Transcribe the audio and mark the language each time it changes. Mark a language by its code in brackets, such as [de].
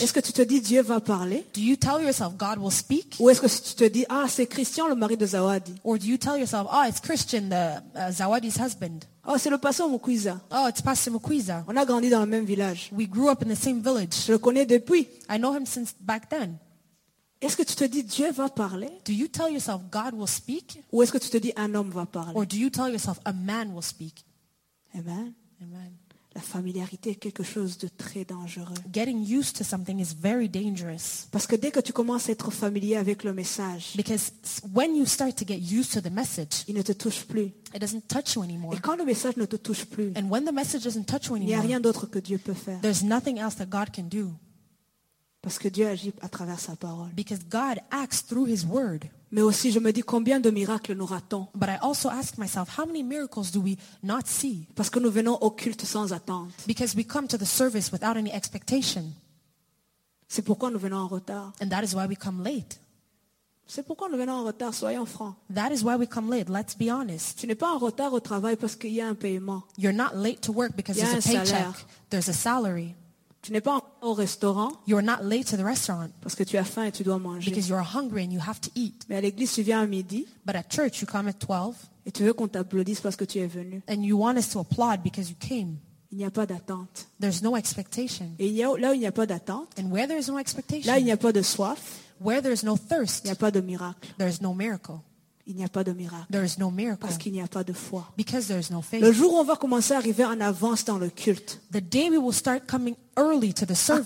[fr] est-ce que tu te dis Dieu va parler? [en] Do you tell yourself God will speak? [fr] Ou est-ce que tu te dis ah c'est Christian le mari de Zawadi? [en] Or do you tell yourself ah oh, it's Christian the Zawadi's husband? [fr] Oh c'est le pasteur Mukwiza. [en] Oh it's Pastor Mukwiza. [fr] On a grandi dans le même village. [en] We grew up in the same village. [fr] Je le connais depuis. [en] I know him since back then. [fr] Est-ce que tu te dis Dieu va parler? [en] Do you tell yourself God will speak? [fr] Ou est-ce que tu te dis un homme va parler? [en] Or do you tell yourself a man will speak? [fr] Amen. [en] Amen. [fr] La familiarité est quelque chose de très dangereux. [en] Getting used to something is very dangerous. [fr] Parce que dès que tu commences à être familier avec le message, [en] because when you start to get used to the message, [fr] il ne te touche plus. [en] It doesn't touch you anymore. [fr] Et quand le message ne te touche plus, [en] and when the message doesn't touch you anymore, [fr] il n'y a rien d'autre que Dieu peut faire. [en] There's nothing else that God can do. [fr] Parce que Dieu agit à travers sa parole. [en] Because God acts through his word. [fr] Mais aussi je me dis combien de miracles nous ratons. [en] But I also ask myself how many miracles do we not see? [fr] Parce que nous venons au culte sans attente. [en] Because we come to the service without any expectation. [fr] C'est pourquoi nous venons en retard. [en] And that is why we come late. [fr] C'est pourquoi nous venons en retard, soyons francs. [en] That is why we come late, let's be honest. [fr] Tu n'es pas en retard au travail parce qu'il y a un paiement. [en] You're not late to work because there's a paycheck. [fr] Salaire. [en] There's a salary. [fr] Tu n'es pas au restaurant. [en] You are not late to the restaurant. [fr] Parce que tu as faim et tu dois manger. [en] Because you are hungry and you have to eat. [fr] Mais à l'église, tu viens à midi. [en] But at church, you come at 12. [fr] Et tu veux qu'on t'applaudisse parce que tu es venu. [en] And you want us to applaud because you came. [fr] Il n'y a pas d'attente. [en] There's no expectation. [fr] Et là où il n'y a pas d'attente. [en] And where there is no expectation. [fr] Là il n'y a pas de soif. [en] Where there is no thirst. [fr] Il n'y a pas de miracle. [en] There is no miracle. [fr] Il n'y a pas de miracle. [en] There is no miracle. [fr] Parce qu'il n'y a pas de foi. [en] Because there is no faith. [fr] Le jour où on va commencer à arriver en avance dans le culte. [en] The day we will start coming early to the service.